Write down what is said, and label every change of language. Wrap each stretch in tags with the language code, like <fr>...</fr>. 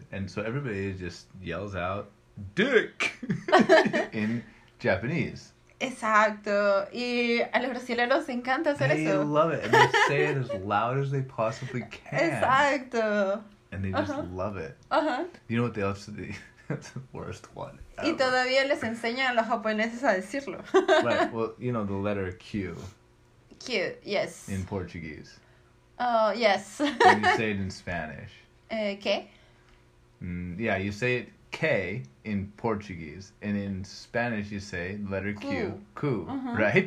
<en>And so everybody just yells out, dick! in Japanese.</en> <es>Exacto. Y a los brasileños les encanta hacer</es> <en>they</en> <es>eso.</es> <en>They love it. And they say it as loud as they possibly can.</en> <es>Exacto.</es> <en>And they just love it. You know what they also do? That's the worst one. Ever.</en> <es>Y todavía les enseñan a los japoneses a decirlo.</es> <en>Right. Well, you know, the letter Q. Q, yes. In Portuguese. Oh, yes. And you say it in Spanish.</en> <es>¿Qué?</es> <en>Yeah, you say it K in Portuguese, and in Spanish you say letter Q, cu, right?</en>